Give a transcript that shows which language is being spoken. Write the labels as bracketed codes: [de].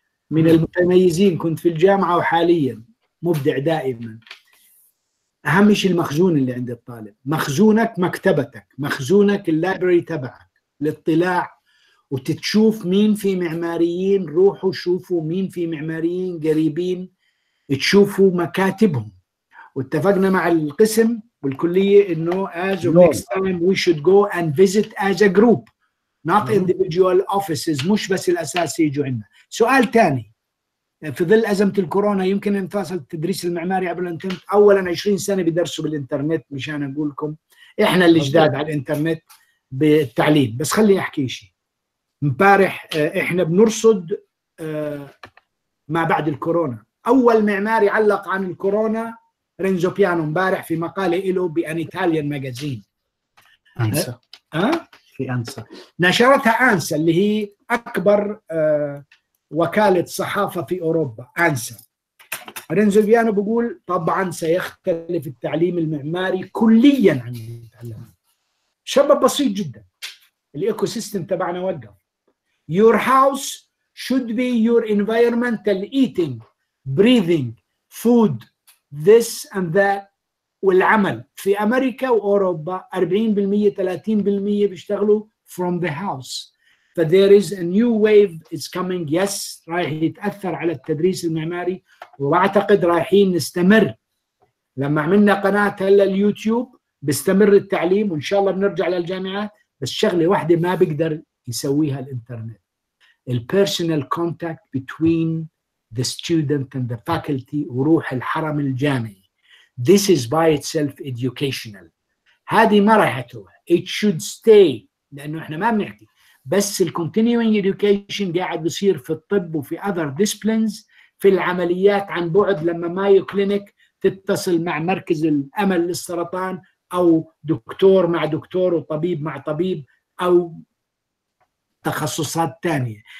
[ar] من المتميزين كنت في الجامعة وحاليا مبدع دائما. أهم شيء المخزون اللي عند الطالب، مخزونك مكتبتك، مخزونك اللايبرري تبعك للاطلاع وتتشوف مين في معماريين، روحوا شوفوا مين في معماريين قريبين، تشوفوا مكاتبهم. واتفقنا مع القسم والكلية إنه [en] as of next time we should go and visit as a group not individual offices، [ar] مش بس الأساس يجوا عندنا. سؤال تاني، في ظل أزمة الكورونا يمكن انفصل التدريس المعماري عبر الانترنت؟ أولا 20 سنة بيدرسوا بالانترنت، مشان أقولكم إحنا اللي جداد على الانترنت بالتعليم. بس خلي أحكي شيء، مبارح إحنا بنرصد ما بعد الكورونا، أول معماري علق عن الكورونا رينزو بيانو مبارح في مقالة إله بأن إيطاليان ماجازين أنسا في أنسا نشرتها أنسا اللي هي أكبر وكالة صحافة في أوروبا أنسا. رينزو بيانو بيقول طبعاً سيختلف التعليم المعماري كلياً عن المتعلم. شباب بسيط جداً، الإيكو سيستم تبعنا وقف. [en] Your house should be your environmental eating, breathing, food, this and that. [ar] والعمل في أمريكا وأوروبا 40% 30% بيشتغلوا [en] from the house. But there is a new wave, it's coming, yes, [ar] رايح يتأثر على التدريس المعماري وأعتقد رايحين نستمر. لما عملنا قناة هلا اليوتيوب بيستمر التعليم وإن شاء الله بنرجع للجامعات، بس شغلة واحدة ما بيقدر يسويها الإنترنت، الـ [en] personal contact between the student and the faculty [ar] وروح الحرم الجامعي. [en] This is by itself educational. [ar] هذه ما رايحة تروح، [en] it should stay، [ar] لأنه إحنا ما بنحكي بس الـ continuing education قاعد يصير في الطب وفي [en] other disciplines، [ar] في العمليات عن بعد لما مايو كلينيك تتصل مع مركز الأمل للسرطان أو دكتور مع دكتور وطبيب مع طبيب أو تخصصات تانية.